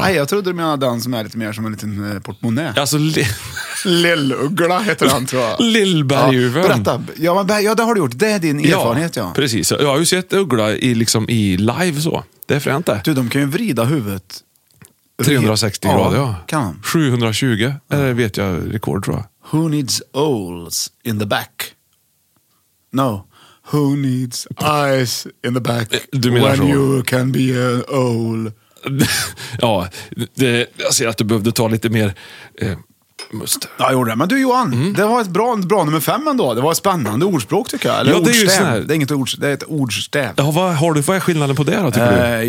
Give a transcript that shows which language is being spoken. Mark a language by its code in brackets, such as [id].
[sv] Nej, jag trodde du menar den som är lite mer som en liten portmonnä. Alltså, Lillugla heter han, tror jag. Lillberguven. Ja, berätta. Ja, det har du gjort. Det är din erfarenhet, ja. Precis. Jag har ju sett uggla i live så. Det är fränt det. Du, de kan ju vrida huvudet. 360 grader, ja. Kan. 720, det vet jag, rekord tror jag. [en] Who needs owls in the back? No. Who needs eyes in the back when [sv] så? [en] You can be an owl? [sv] Ja, jag ser att du behövde ta lite mer must. Ja, jag gjorde det. Men du, Johan, det var ett bra nummer fem ändå. Det var ett spännande ordspråk, tycker jag. Eller det är ett ordstäv. Ja, vad är skillnaden på det då, tycker du?